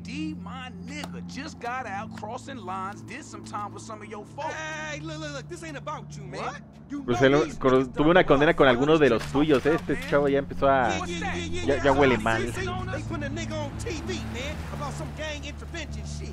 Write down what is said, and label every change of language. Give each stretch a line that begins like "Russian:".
English: D, my nigga, just got out crossing lines, did some time with some of your folks. Hey, look, this ain't about you, man.
Spanish: Tuve una condena con algunos de los tuyos. Este chavo ya empezó a... Ya huele mal.
English: They put a nigga on TV, man, about some gang intervention shit.